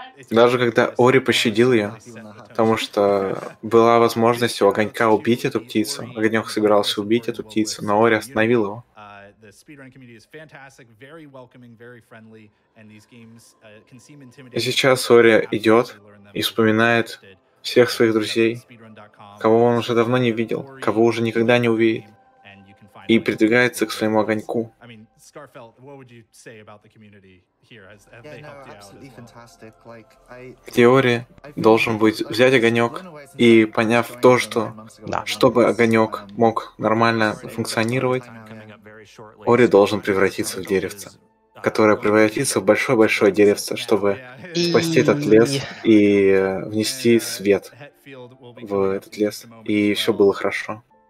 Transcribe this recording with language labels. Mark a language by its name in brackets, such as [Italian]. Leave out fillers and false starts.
[Russian] Даже когда Ори пощадил ее, потому что была возможность у Огонька убить эту птицу. Огонек собирался убить эту птицу, но Ори остановил его. [English] The speedrun community is fantastic, very welcoming, very friendly, and these games can seem intimidating. [Russian] Сейчас Ори идет и вспоминает всех своих друзей, кого он уже давно не видел, кого уже никогда не увидит, и придвигается к своему огоньку. [English] I mean, Scarfell, what would you say about the community here? Have they helped you out? Absolutely fantastic. [Russian] Like, в теории должен быть взять огонек и поняв то, что чтобы огонек мог нормально функционировать. Ори должен превратиться в деревце, которое превратится в большое-большое деревце, чтобы спасти этот лес и внести свет в этот лес, и все было хорошо.